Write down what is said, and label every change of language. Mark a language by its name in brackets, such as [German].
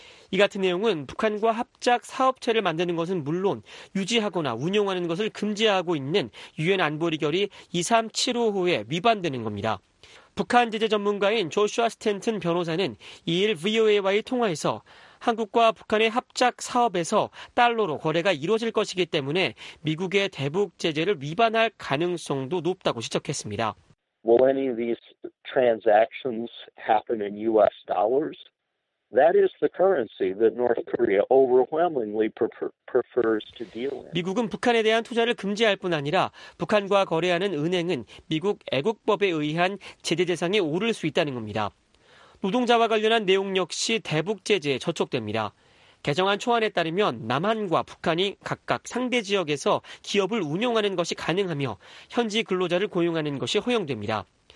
[Korean] 이 같은 내용은 북한과 합작 사업체를 만드는 것은 물론 유지하거나 운영하는 것을 금지하고 있는 유엔 안보리 결의 2375호에 위반되는 겁니다. 북한 제재 전문가인 조슈아 스탠튼 변호사는 2일 VOA와의 통화에서 한국과 북한의 합작 사업에서 달러로 거래가 이루어질 것이기 때문에 미국의 대북 제재를 위반할 가능성도 높다고 지적했습니다. [English] Will any of these transactions happen in US dollars? That is the currency that North Korea overwhelmingly prefers to deal in. [Korean] 미국은 북한에 대한 투자를 금지할 뿐 아니라 북한과 거래하는 은행은 미국 애국법에 의한 제재 대상에 오를 수 있다는 겁니다. 노동자와 관련한 내용 역시 대북 제재에 저촉됩니다. 개정안 초안에 따르면 남한과 북한이 각각 상대 지역에서 기업을 운영하는 것이 가능하며 현지 근로자를 고용하는 것이 허용됩니다.